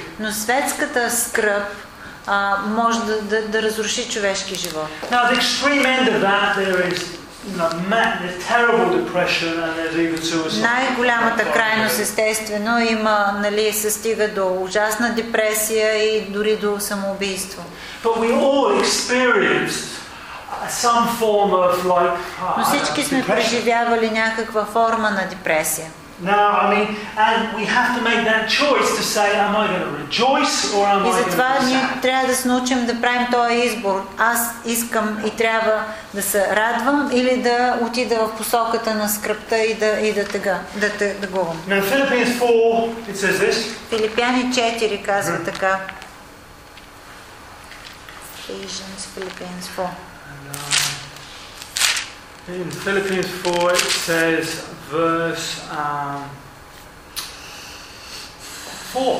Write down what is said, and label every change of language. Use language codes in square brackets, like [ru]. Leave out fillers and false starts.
[bg] Но светската скръп може да разруши човешки живот. [en] Now the extreme end of that there is. Terrible depression, and there's even suicide. [bg] Най-голямата крайност, естествено, има, нали, се стига до ужасна депресия и дори до самоубийство. [en] But we all experience some form of like. [bg] Но всички сме преживявали някаква форма на депресия. [en] Now, I mean, and we have to make that choice to say, am I going to rejoice or am I going to be sad? [bg] И затова ние трябва да се научим да правим този избор. Аз искам и трябва да се радвам или да отида в посоката на скръпта и да тъгувам. [en] Now, Philippians 4, it says this. [bg] Филипяни 4 казва така. [en] Ephesians, Philippians 4. In Philippians 4, it says verse 4.